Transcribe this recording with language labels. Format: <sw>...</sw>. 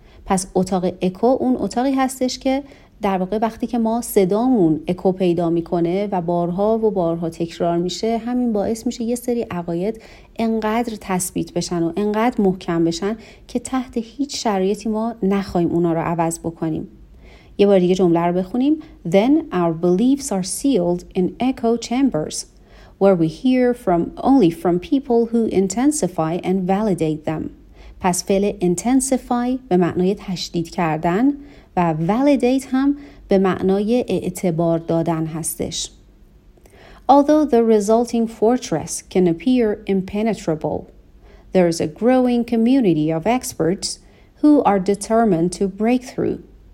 <fa>پس اتاق اکو اون اتاقی هستش که در واقع وقتی که ما صدامون اکو پیدا میکنه و بارها و بارها تکرار میشه، همین باعث میشه یه سری عقاید انقدر تثبیت بشن و انقدر محکم بشن که تحت هیچ شرایطی ما نخواهیم اونا رو عوض بکنیم. یه بار دیگه جمله رو بخونیم.</fa> <en>Then our beliefs are sealed in echo chambers where we hear from only from people who intensify and validate them.</en> <fa>پس فعل intensify به معنای تشدید کردن و validate هم به معنای اعتبار دادن هستش.</fa> <en>Although the resulting fortress can appear impenetrable, there is a growing community of experts who are determined to break through.</en>